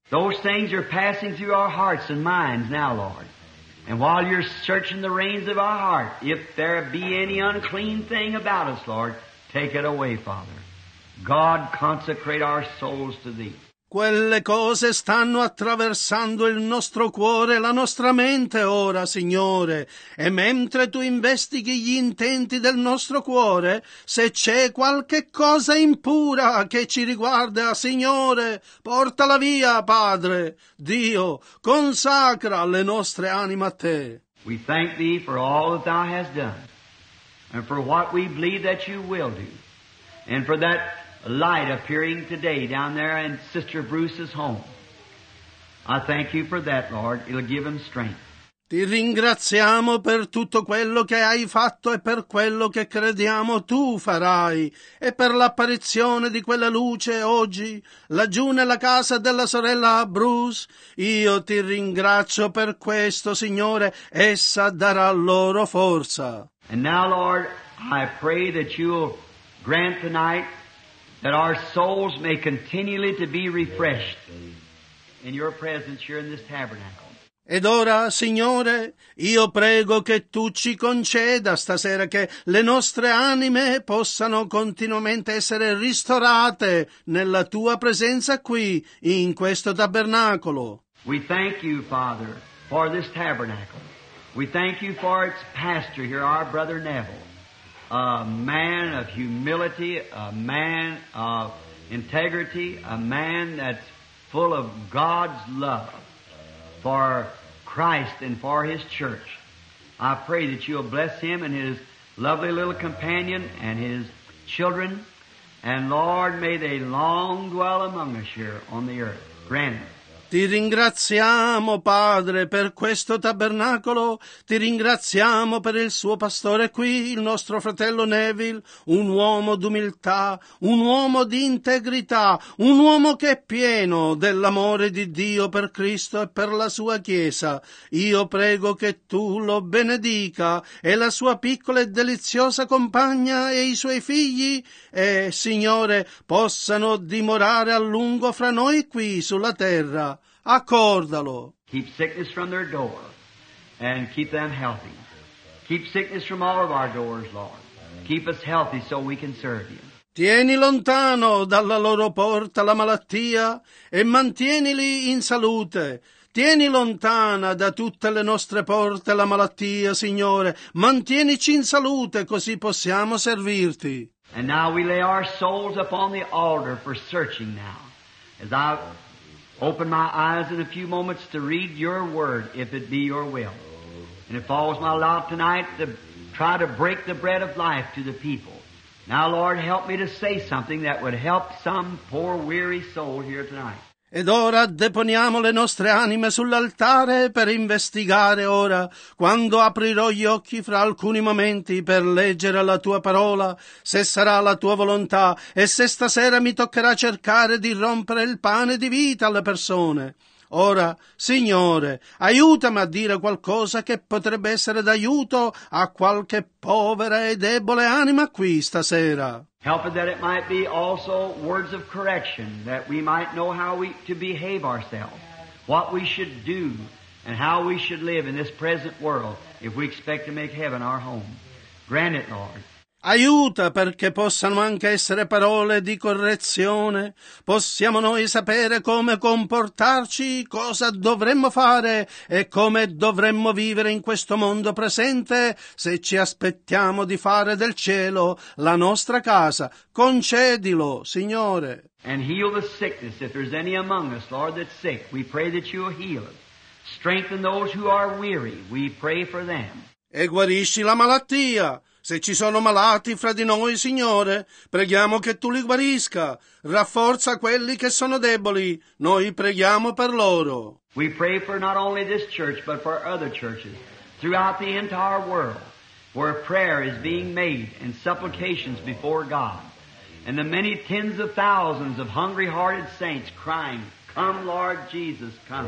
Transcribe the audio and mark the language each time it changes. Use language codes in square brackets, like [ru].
[en] Those things are passing through our hearts and minds now, Lord. And while You're searching the reins of our heart, if there be any unclean thing about us, Lord, take it away, Father. God, consecrate our souls to Thee. [it] Quelle cose stanno attraversando il nostro cuore, la nostra mente ora, Signore. E mentre Tu investighi gli intenti del nostro cuore, se c'è qualche cosa impura che ci riguarda, Signore, portala via, Padre. Dio, consacra le nostre anime a Te. [en] We thank Thee for all that Thou hast done, and for what we believe that You will do, and for that light appearing today down there in Sister Bruce's home. I thank You for that, Lord. It'll give him strength. [it] Ti ringraziamo per tutto quello che hai fatto e per quello che crediamo Tu farai e per l'apparizione di quella luce oggi laggiù nella casa della sorella Bruce. Io Ti ringrazio per questo, Signore. Essa darà loro forza. [en] And now, Lord, I pray that You'll grant tonight that our souls may continually to be refreshed in Your presence here in this tabernacle. [it] Ed ora, Signore, io prego che Tu ci conceda stasera che le nostre anime possano continuamente essere ristorate nella Tua presenza qui, in questo tabernacolo. [en] We thank You, Father, for this tabernacle. We thank you for its pastor here, our brother Neville, a man of humility, a man of integrity, a man that's full of God's love for Christ and for his church. I pray that you'll bless him and his lovely little companion and his children. And Lord, may they long dwell among us here on the earth. Grant it. [it] Ti ringraziamo, Padre, per questo tabernacolo. Ti ringraziamo per il suo pastore qui, il nostro fratello Neville, un uomo d'umiltà, un uomo di integrità, un uomo che è pieno dell'amore di Dio per Cristo e per la sua Chiesa. Io prego che tu lo benedica e la sua piccola e deliziosa compagna e i suoi figli e, Signore, possano dimorare a lungo fra noi qui sulla terra. Accordalo. [en] Keep sickness from their door and keep them healthy. Keep sickness from all of our doors, Lord. Keep us healthy so we can serve you. [it] Tieni lontano dalla loro porta la malattia e mantienili in salute. Tieni lontana da tutte le nostre porte la malattia, Signore. Mantienici in salute così possiamo servirti. [en] And now we lay our souls upon the altar for searching now. Open my eyes in a few moments to read your word, if it be your will. And it falls my lot tonight to try to break the bread of life to the people. Now, Lord, help me to say something that would help some poor, weary soul here tonight. [it] Ed ora deponiamo le nostre anime sull'altare per investigare ora, quando aprirò gli occhi fra alcuni momenti per leggere la tua parola, se sarà la tua volontà e se stasera mi toccherà cercare di rompere il pane di vita alle persone. Ora, Signore, aiutami a dire qualcosa che potrebbe essere d'aiuto a qualche povera e debole anima qui stasera. [en] Help it that it might be also words of correction, that we might know how we to behave ourselves, what we should do, and how we should live in this present world if we expect to make heaven our home. Grant it, Lord. [it] Aiuta perché possano anche essere parole di correzione. Possiamo noi sapere come comportarci, cosa dovremmo fare e come dovremmo vivere in questo mondo presente se ci aspettiamo di fare del cielo la nostra casa. Concedilo, Signore. [en] And heal the sickness if there's any among us, Lord, that's sick. We pray that you will heal it. Strengthen those who are weary. We pray for them. [it] E guarisci la malattia. Se ci sono malati fra di noi, Signore, preghiamo che Tu li guarisca. Rafforza quelli che sono deboli. Noi preghiamo per loro. [en] We pray for not only this church, but for other churches throughout the entire world, where prayer is being made and supplications before God, and the many tens of thousands of hungry-hearted saints crying, "Come, Lord Jesus, come."